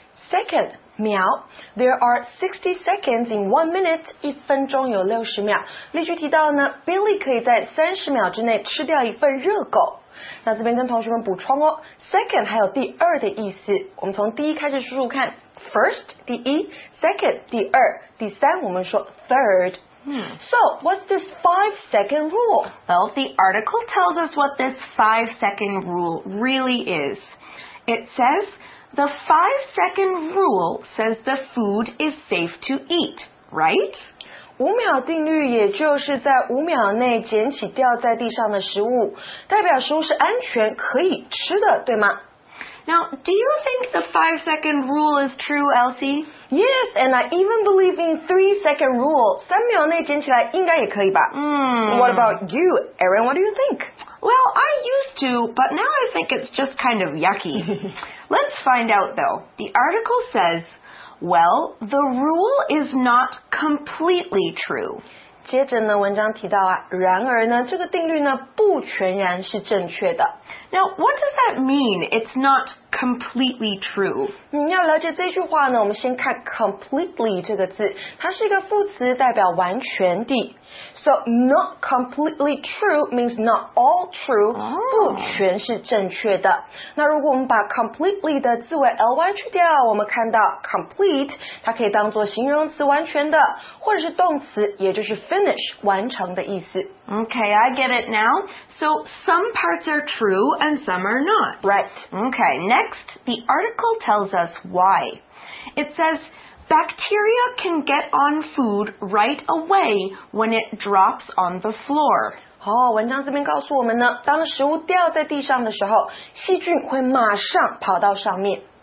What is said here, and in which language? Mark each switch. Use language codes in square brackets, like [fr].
[zh] Second. 秒 [en] There are 60 seconds in 1 minute [zh] 一分钟有60秒例句提到呢 Billy 可以在30秒之内吃掉一份热狗那这边跟同学们补充哦 Second 还有第二的意思我们从第一开始输入看 First 第一 Second 第二第三我们说 Third、 [en] So what's this 5 second rule? Well the article tells us what this 5 second rule really is It saysThe 5 second rule says the food is safe to eat, right? [zh] 五秒定律也就是在五秒内捡起掉在地上的食物，代表食物是安全可以吃的，对吗？ [en] Now, do you think the 5 second rule is true, Elsie? Yes, and I even believe in 3 second rule. [zh] 三秒内捡起来应该也可以吧？ [en] What about you, Erin? What do you think? Well, I used to, but now I think it's just kind of yucky. Let's find out, though. The article says, well, the rule is not completely true. [zh] 接着呢文章提到啊然而呢这个定律呢不全然是正确的 [en] Now what does that mean? It's not completely true [zh] 你要了解这句话呢我们先看 completely 这个字它是一个副词代表完全地 [en] So not completely true means not all true、 oh. [zh] 不全是正确的那如果我们把 completely 的字尾 ly 去掉我们看到 complete 它可以当作形容词完全的或者是动词也就是 finish 完成的意思 [en] Okay, I get it now. So some parts are true and some are not. Right. Okay, next, the article tells us why. It says, bacteria can get on food right away when it drops on the floor. [zh] 好、oh, 文章这边告诉我们呢，当食物掉在地上的时候，细菌会马上跑到上面。